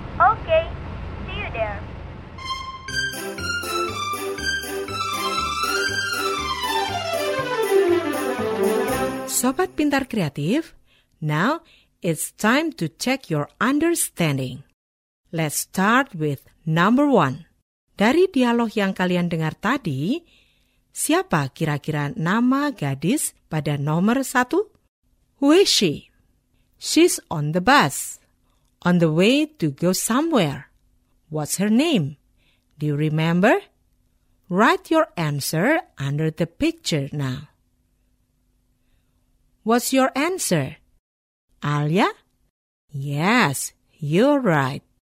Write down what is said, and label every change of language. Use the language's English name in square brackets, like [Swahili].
[English] Okay. See you there. Sobat Pintar Kreatif, now it's time to check your understanding. Let's start with number 1. [Indonesian] Dari dialog yang kalian dengar tadi, siapa kira-kira nama gadis pada nomor 1? [English] Who is she? She's on the bus. On the way to go somewhere. What's her name? Do you remember? Write your answer under the picture now. What's your answer? Alia? Yes, you're right.